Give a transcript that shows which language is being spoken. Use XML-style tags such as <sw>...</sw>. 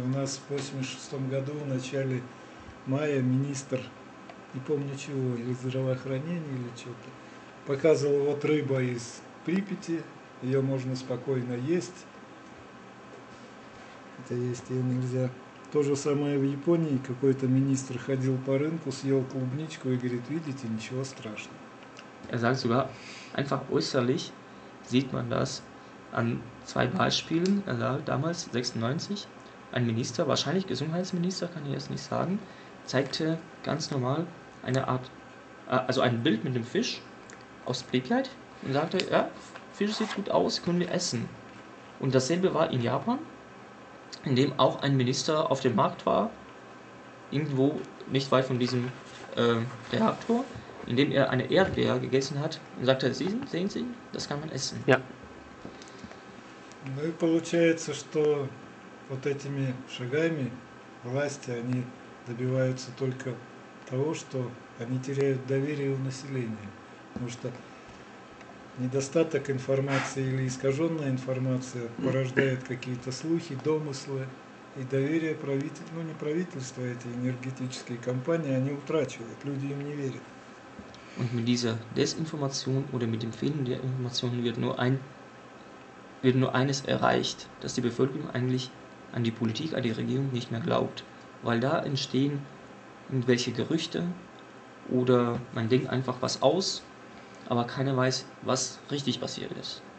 <ru>У нас в 86 году в начале мая министр, не помню чего, или здравоохранения, или что-то, показывал вот рыба из Припяти, ее можно спокойно есть. Это есть, ее нельзя. То же самое в Японии, какой-то министр ходил по рынку, съел клубничку и говорит, видите, ничего страшного.</ru> <de>Er sagt sogar, einfach äußerlich sieht man das an zwei Beispielen. Er sagt damals, 96, ein Minister, wahrscheinlich Gesundheitsminister, kann ich jetzt nicht sagen, zeigte ganz normal eine Art, also ein Bild mit dem Fisch aus Pripyat und sagte, ja, Fisch sieht gut aus, können wir essen. Und dasselbe war in Japan, in dem auch ein Minister auf dem Markt war, irgendwo nicht weit von diesem Reaktor, indem er eine Erdbeere gegessen hat und sagte, sehen Sie, das kann man essen. Ja.</de> <ru>Ну и получается, что вот этими шагами власти, они добиваются только того, что они теряют доверие у населения. Потому что недостаток информации или искаженная информация порождает какие-то слухи, домыслы, и доверие правительства, ну не правительства, а эти энергетические компании, они утрачивают, люди им не верят.</ru> <de>Und mit dieser Desinformation oder mit dem Fehlen der Informationen wird nur eines erreicht, dass die Bevölkerung eigentlich an die Politik, an die Regierung nicht mehr glaubt. Weil da entstehen irgendwelche Gerüchte oder man denkt einfach was aus, aber keiner weiß, was richtig passiert ist.</de>